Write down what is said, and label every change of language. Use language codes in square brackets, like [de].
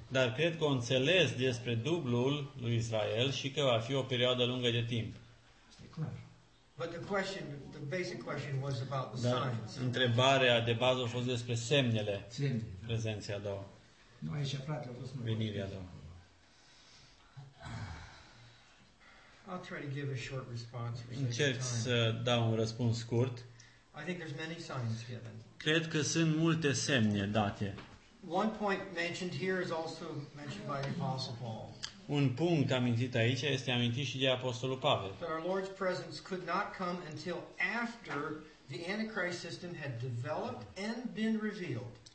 [ro] Dar cred că a înțeles despre dublul lui Israel și că va fi o perioadă lungă de timp. [en] But the question, the basic question was about the signs. [ro] Dar întrebarea de bază a fost despre semnele. Semne, prezenței a doua. Nu aici, frate, a fost venirea a doua. [en] I'll try to give a short response. [ro] Încerc să dau un răspuns scurt. [en] I think there's many signs given. [ro] Cred că sunt multe semne date. [en] One point mentioned here is also mentioned by the Apostle Paul. [ro] Un punct amintit aici este amintit și de Apostolul Pavel. [en] That our Lord's presence could not come until after the Antichrist system had developed and been revealed.